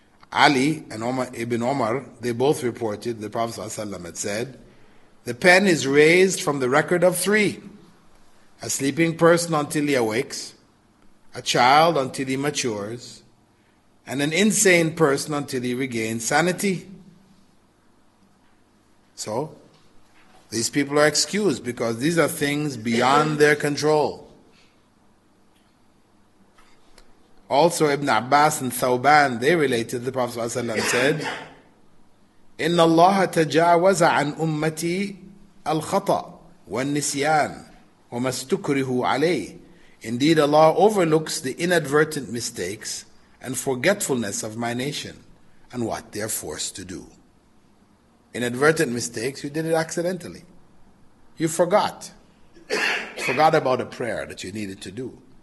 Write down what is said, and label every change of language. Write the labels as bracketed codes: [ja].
[en] Ali and Ibn Umar, they both reported, the Prophet ﷺ had said, the pen is raised from the record of three: a sleeping person until he awakes, a child until he matures, and an insane person until he regains sanity. So, these people are excused because these are things beyond their control. Also, Ibn Abbas and Thawban, they related, the Prophet ﷺ said, [ar] إِنَّ اللَّهَ تَجَاوَزَ عَنْ أُمَّتِي الْخَطَأ وَالنِّسْيَانِ وَمَا اسْتُكْرِهُ عَلَيْهِ. [en] Indeed, Allah overlooks the inadvertent mistakes and forgetfulness of my nation and what they are forced to do. Inadvertent mistakes, you did it accidentally. You forgot. Forgot about a prayer that you needed to do.